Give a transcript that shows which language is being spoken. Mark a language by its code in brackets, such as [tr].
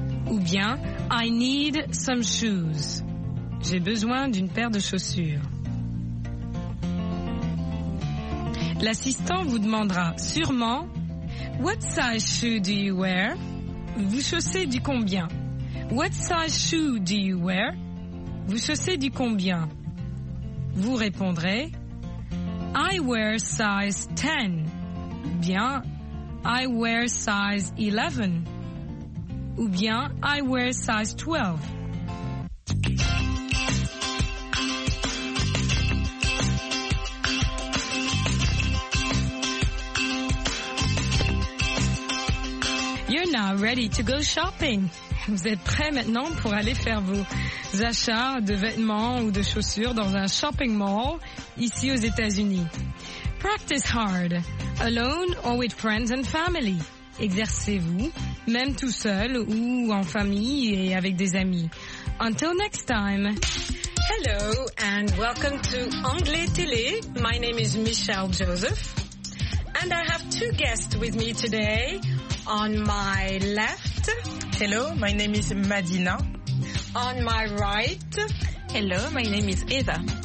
[fr] Ou bien [en] I need some shoes. [fr] J'ai besoin d'une paire de chaussures. L'assistant vous demandera sûrement [en] What size shoe do you wear? [fr] Vous chaussez du combien? [en] What size shoe do you wear? [fr] Vous chaussez du combien? Vous répondrez [en] I wear size 10. Bien, I wear size 11. Ou bien, I wear size 12. Ready to go shopping. [fr] Vous êtes prêts maintenant pour aller faire vos achats de vêtements ou de chaussures dans un shopping mall ici aux États-Unis. [en] Practice hard, alone or with friends and family. [fr] Exercez-vous, même tout seul ou en famille et avec des amis. [en] Until next time. Hello, and welcome to Anglais Télé. My name is Michelle Joseph, and I have two guests with me today. On my left... Hello, my name is Madina. On my right... Hello, my name is Eva.